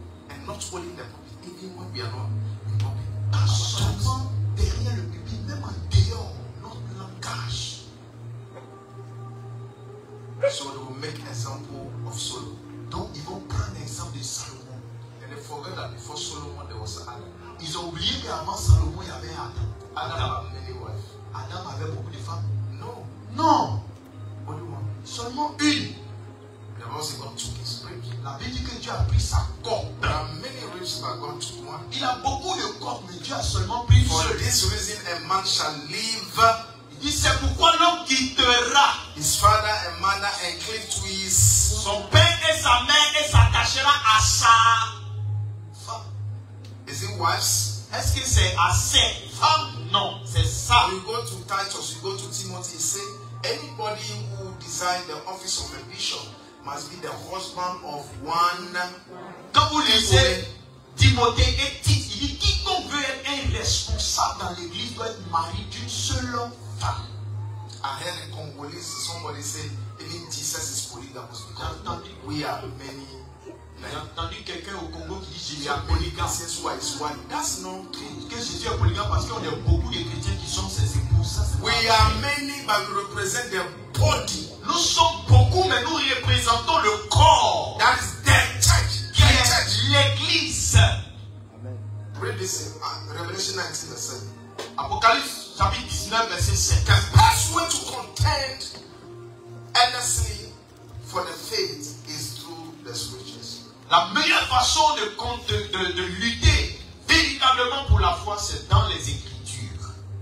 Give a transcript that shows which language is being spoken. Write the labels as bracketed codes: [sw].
[en] And not only the public, even when we are not in public. [fr] Pas seulement derrière le public, même en dehors, notre langage. [en] So they will make example of Solomon. [fr] Donc ils vont prendre l'exemple de Salomon. [en] And they forget that before Solomon there was Adam. [fr] Ils ont oublié qu'avant Salomon il y avait Adam. [en] Adam had many wives. [fr] Adam avait beaucoup de femmes. [en] No. [fr] Non. [en] Only one. [fr] Seulement une. [en] There was God took his rib. [fr] La Bible dit que Dieu a pris sa corde. [en] There are many ribs that God took one. [fr] Il a beaucoup de corde, mais Dieu a seulement pris [en] for [fr] seul. [en] This reason, a man shall leave. [fr] Il dit, c'est pourquoi l'homme quittera [en] his father and mother and cleave to his [fr] son père et sa mère et s'attachera à sa femme. [en] Is it wives? [fr] Est-ce que c'est à ses femmes? Non, c'est ça. [en] We go to Titus, we go to Timothy. Say anybody who desires the office of a bishop must be the husband of one. [fr] Quand vous lisez Timothée et Tite, il dit quiconque veut être un responsable dans l'église doit être marié d'une seule femme. [en] I heard a Congolese, somebody said, even Jesus is polygamous. We are many. [fr] J'ai entendu quelqu'un au Congo qui dit Jésus est polygame. C'est soit et soit. [en] That's not true. [fr] Que Jésus est polygame parce qu'on a beaucoup de chrétiens qui sont ses épouses. [en] We are many, but we represent the body. [fr] Nous sommes beaucoup, mais nous représentons le corps. [en] That is the church. [fr] Qui est church. L'église. [en] Amen. Read this in Revelation 19, verse 7. [fr] Apocalypse, chapitre 19, verset 7. [en] The best way to contend earnestly for the faith is through the scriptures. [fr] La meilleure façon de lutter véritablement pour la foi, c'est dans les Écritures.